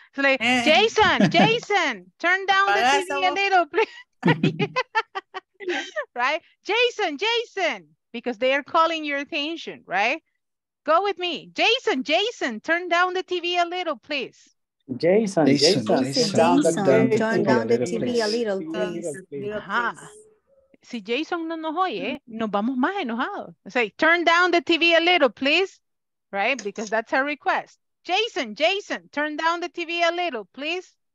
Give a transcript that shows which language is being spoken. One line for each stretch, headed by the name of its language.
English: It's like, Jason, turn down the TV a little, please. Right? Jason, because they are calling your attention, right? Go with me. Jason, turn down the TV a little, please. Jason, turn down the TV a little, please.
Spanish: Si Jason no nos oye, nos vamos más enojados.
English: Say, turn down the TV a little, please. Right? Because that's our request. Jason, turn down the TV a little, please.